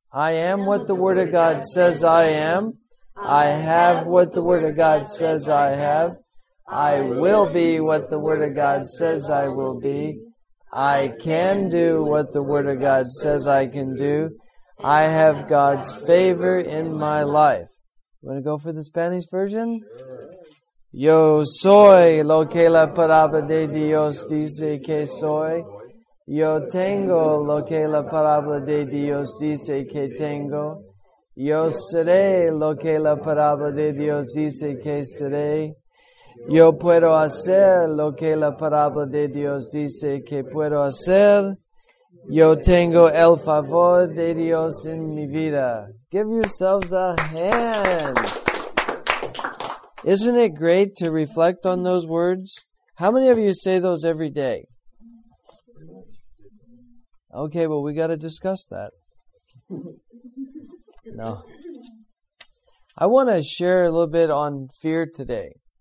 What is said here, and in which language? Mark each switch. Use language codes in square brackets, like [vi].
[en] I am what the Word of God says I am. I have what the Word of God says I have. I will be what the Word of God says I will be. I can do what the Word of God says I can do. I have God's favor in my life. You want to go for the Spanish version? Sure. [es] Yo soy lo que la palabra de Dios dice que soy. Yo tengo lo que la palabra de Dios dice que tengo. Yo seré lo que la palabra de Dios dice que seré. Yo puedo hacer lo que la palabra de Dios dice que puedo hacer. Yo tengo el favor de Dios en mi vida. [en] Give yourselves a hand. Isn't it great to reflect on those words? How many of you say those every day? Okay, well, we got to discuss that. No. I want to share a little bit on fear today.